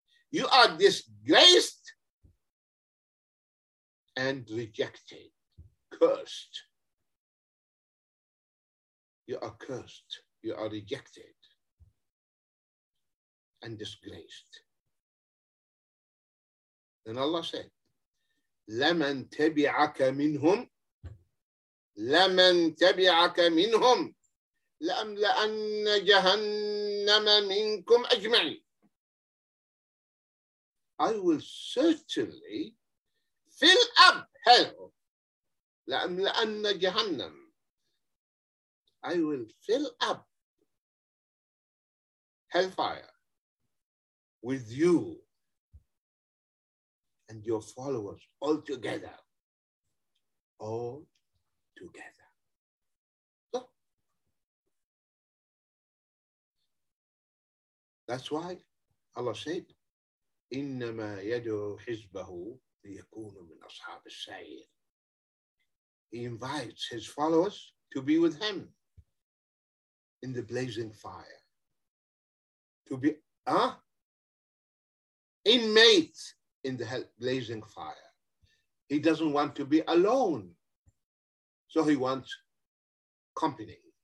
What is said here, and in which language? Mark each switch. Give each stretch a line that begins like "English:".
English: You are disgraced and rejected, cursed. You are cursed. You are rejected and disgraced. Then Allah said,
Arabic: لَمَنْ تَبِعَكَ مِنْهُمْ لَمَنْ تَبِعَكَ مِنْهُمْ لَأَمْلَأَنَّ جَهَنَّمَ مِنْكُمْ أَجْمَعِينَ.
English: I will certainly fill up hell.
Arabic: لَأَمْلَأَنَّ جَهَنَّمَ.
English: I will fill up hellfire with you and your followers all together. All together. So, that's why Allah said,
Arabic: إنما يدعو حزبه ليكون من أصحاب السعير.
English: He invites his followers to be with him in the blazing fire, to be inmates in the blazing fire. He doesn't want to be alone, so he wants company.